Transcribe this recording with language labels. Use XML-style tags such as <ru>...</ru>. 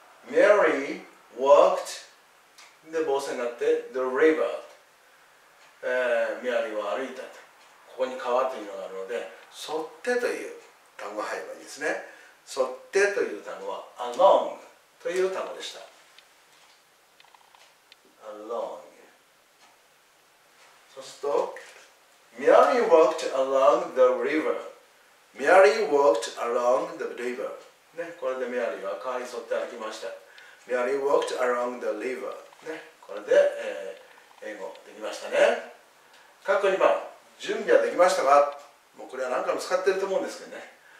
<ja>メアリー</ja> <en>walked</en> <ja>で防線があって</ja> <en>the river、</en> <ja>メアリーは歩いた。ここに川というのがあるので沿ってという単語が入ればいいですね。沿ってという単語は along という単語でした。</ja> <en>Along.</en> <ja>そうすると</ja> <en>Mary walked along the river. Mary walked along the river.、</en> <ja>ね、これで Mary は川に沿って歩きました。</ja> <en>Mary walked along the river.、</en> <ja>ね、これで、英語できましたね。括弧2番、準備はできましたか？もうこれは何回も使ってると思うんですけどね。</ja>